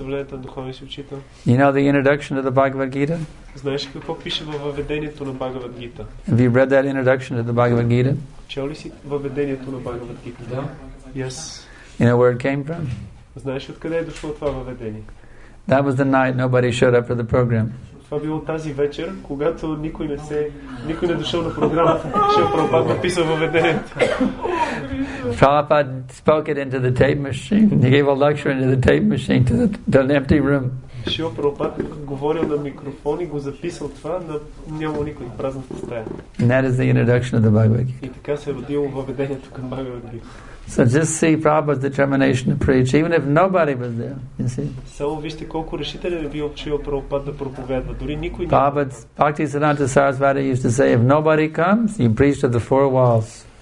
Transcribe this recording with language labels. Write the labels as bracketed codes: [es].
[en] You know the introduction to the Bhagavad Gita? Have you read that introduction to the Bhagavad Gita? Yes. You know where it came from? That was the night nobody showed up for the program. [bg] Това било тази вечер, когато никой не дошъл на програмата. Шрила Прабхупада написал във ведението. [en] Prabhupada spoke it into the tape machine. He gave a lecture into the tape machine to an empty room. [bg] Шрила Прабхупада говорил на микрофон и го записал това, но няма никой, празната стая. [en] And that is the introduction of the Bhagavad Gita. [bg] И така се родило във ведението към Bhagavad Gita. [en] So just see Prabhupada's determination to preach, even if nobody was there, you see. [bg] Само вижте колко решителен е бил Шрила Прабхупада да проповядва. Дори никой не. [en] Prabhupada's Bhaktisiddhanta Sarasvati used to say, if nobody comes, you preach to the four walls.